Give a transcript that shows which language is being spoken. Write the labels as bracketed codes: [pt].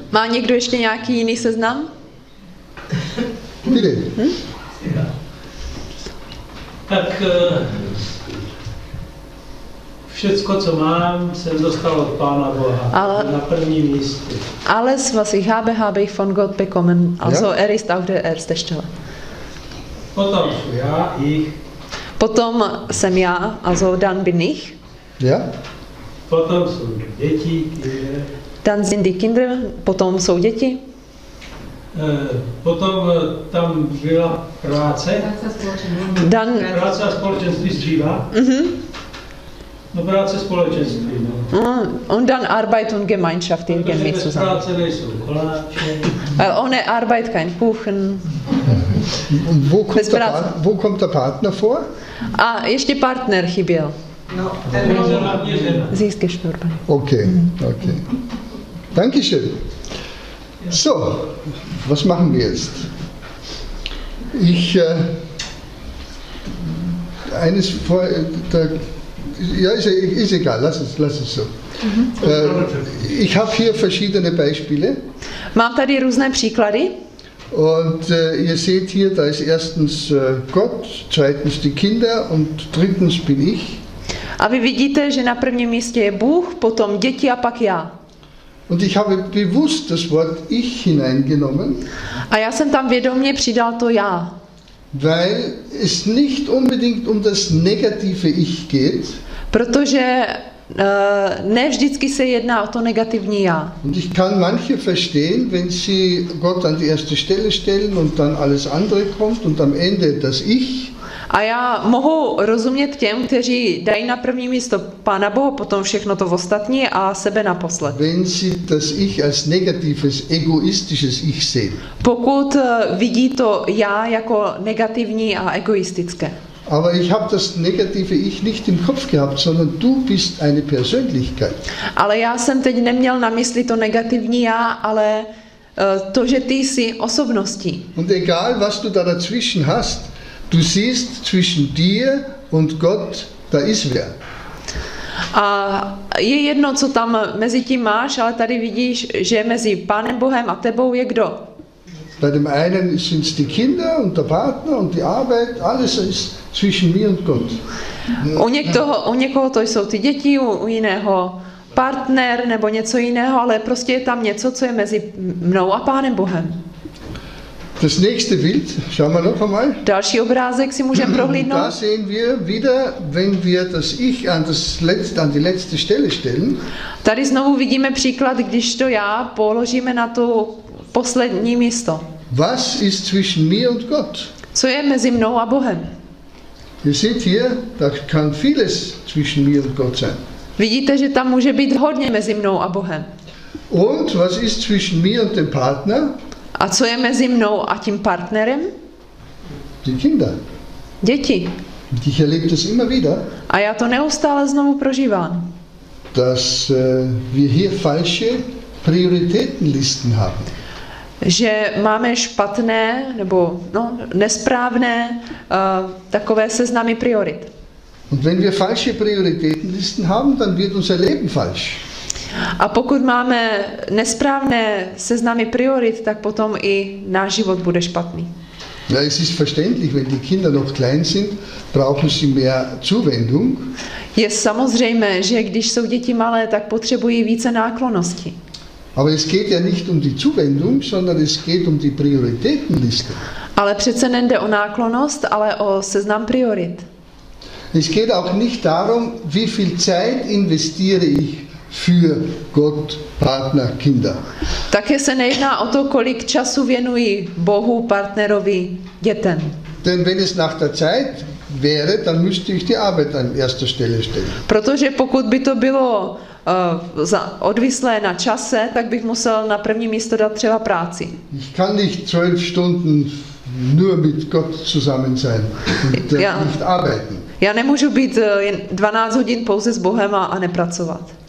[cs] Má někdo ještě nějaký jiný seznam? [de] Bitte. [cs] Tak... Všecko, co mám, jsem dostal od Pána Boha na prvním místě. [de] Alles, was ich habe, habe ich von Gott bekommen. Also, er ist auf der ersten Stelle. [cs] Potom jsem já, ich. Potom jsem já, [de] also dann bin ich. Ja. [cs] Potom jsou děti. Je. [de] Dann sind die Kinder, [cs] potom jsou děti. Potom tam byla práce. Práce a společenství zdříva. No práce společenství, no. [de] Und dann Arbeit und Gemeinschaft irgendwie zusammen. [cs] Práce nejsou koláče. [de] Ohne Arbeit kein Kuchen. Und wo kommt der Partner vor? [cs] A ještě partner chyběl. No, ten žena. [de] Sie ist gestorben. Okay. Dankeschön. So, was machen wir jetzt? Ist egal, lass es so. Ich habe hier verschiedene Beispiele. [cs] Mám tady různé příklady. [de] Und ihr seht hier, da ist erstens Gott, zweitens die Kinder und drittens bin ich. [cs] A vy vidíte, že na prvním místě je Bůh, potom děti a pak já. [de] Und ich habe bewusst das Wort ich hineingenommen. [cs] A já jsem tam vědomě přidal to já. [de] Weil es nicht unbedingt um das negative Ich geht. [cs] Protože ne vždycky se jedná o to negativní já. [de] Und ich kann manche verstehen, wenn sie Gott an die erste Stelle stellen und dann alles andere kommt und am Ende das Ich. [cs] A já mohu rozumět těm, kteří dají na první místo Pána Boha, potom všechno to ostatní a sebe naposled. [de] Wenn sie das Ich als negatives, egoistisches Ich sehen. [cs] Pokud vidí to já jako negativní a egoistické. [de] Aber ich habe das negative Ich nicht im Kopf gehabt, sondern du bist eine Persönlichkeit. [cs] Ale já jsem teď neměl na mysli to negativní já, ale to, že ty jsi osobností. [de] Und egal, was du da dazwischen hast, du siehst zwischen dir und Gott, da ist wer. [cs] A je jedno, co tam mezi tím máš, ale tady vidíš, že mezi Pánem Bohem a tebou je kdo. [de] Bei dem einen sind es die Kinder und der Partner und die Arbeit, alles ist zwischen mir und Gott. [cs] U někoho to jsou ty děti, u jiného partner nebo něco jiného, ale prostě je tam něco, co je mezi mnou a Pánem Bohem. [de] Das nächste Bild, schauen wir noch einmal. [cs] Další obrázek si můžeme prohlídnout. [de] Da sehen wir wieder, wenn wir das Ich an das letzte, an die letzte Stelle stellen. [cs] Tady znovu vidíme příklad, když to já položíme na to poslední místo. [de] Was ist zwischen mir und Gott? [cs] Co je mezi mnou a Bohem? [en] You see here, [de] da kann vieles zwischen mir und Gott sein. [cs] Vidíte, že tam může být hodně mezi mnou a Bohem. [de] Und was ist zwischen mir und dem Partner? [cs] A co je mezi mnou a tím partnerem? [de] Die Kinder. [cs] Děti. [de] Ich erlebe das immer wieder. [cs] A já to neustále znovu prožívám. [de] Dass wir hier falsche Prioritätenlisten haben. [cs] Že máme špatné nebo no, nesprávné takové seznamy priorit. [de] Und wenn wir falsche Prioritätenlisten haben, dann wird unser Leben falsch. [cs] A pokud máme nesprávné seznamy priorit, tak potom i náš život bude špatný. [de] Ja, es ist verständlich, wenn die Kinder noch klein sind, brauchen sie mehr Zuwendung. [cs] Je samozřejmé, že když jsou děti malé, tak potřebují více náklonosti. [de] Aber es geht ja nicht um die Zuwendung, sondern es geht um die Prioritätenliste. [cs] Ale přece nejde o náklonost, ale o seznam priorit. [de] Es geht auch nicht darum, wie viel Zeit investiere ich für Gott, Partner, Kinder. [cs] Také se nejedná o to, kolik času věnuji Bohu, partnerovi, dětem. [de] Denn wenn es nach der Zeit wäre, dann müsste ich die Arbeit an erster Stelle stellen. [cs] Protože pokud by to bylo odvislé na čase, tak bych musel na první místo dát třeba práci. [de] Ich kann nicht 12 Stunden nur mit Gott zusammen sein und nicht arbeiten. [cs] Já nemůžu být 12 hodin pouze s Bohem a nepracovat.